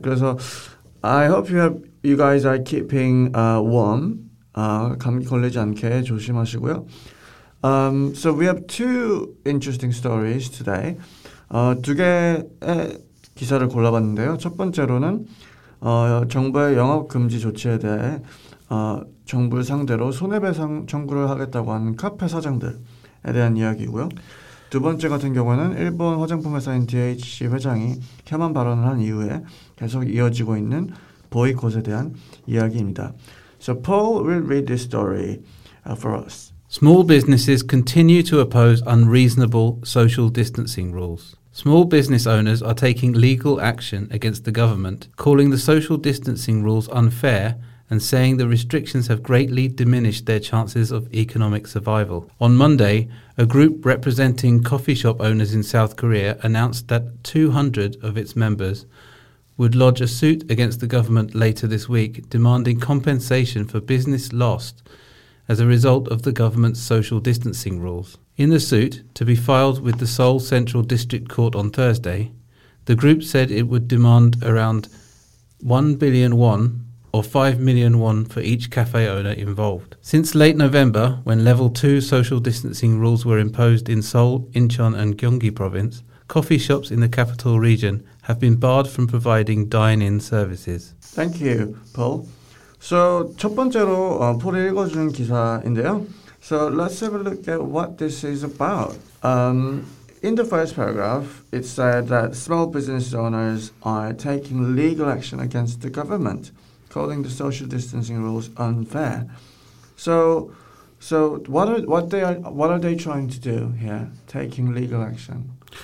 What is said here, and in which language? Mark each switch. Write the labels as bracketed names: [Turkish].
[English] 그래서 I hope you guys are keeping warm. [Korean] 감기 걸리지 않게 조심하시고요. [English] So we have two interesting stories today. [Korean] 두 개의 기사를 골라봤는데요. 첫 번째로는 정부의 영업금지 조치에 대해 정부 상대로 손해배상 청구를 하겠다고 한 카페 사장들에 대한 이야기고요. 두 번째 같은 경우는 일본 화장품 회사인 DHC 회장이 혐한 발언을 한 이후에 계속 이어지고 있는 보이콧에 대한 이야기입니다. [English] So Paul will read this story for us. Small businesses continue to oppose unreasonable social distancing rules. Small business owners are taking legal action against the government, calling the social distancing rules unfair and saying the restrictions have greatly diminished their chances of economic survival. On Monday, a group representing coffee shop owners in South Korea announced that 200 of its members would lodge a suit against the government later this week, demanding compensation for business lost as a result of the government's social distancing rules. In the suit, to be filed with the Seoul Central District Court on Thursday, the group said it would demand around 1 billion won or 5 million won for each cafe owner involved. Since late November, when level 2 social distancing rules were imposed in Seoul, Incheon and Gyeonggi province, coffee shops in the capital region have been barred from providing dine-in services. Thank you, Paul. [Korean] So, 첫 번째로 폴이 읽어준 기사인데요. [English] So let's have a look at what this is about. In the first paragraph, it said that small business owners are taking legal action against the government, calling the social distancing rules unfair. So what are they trying to do here, taking legal action?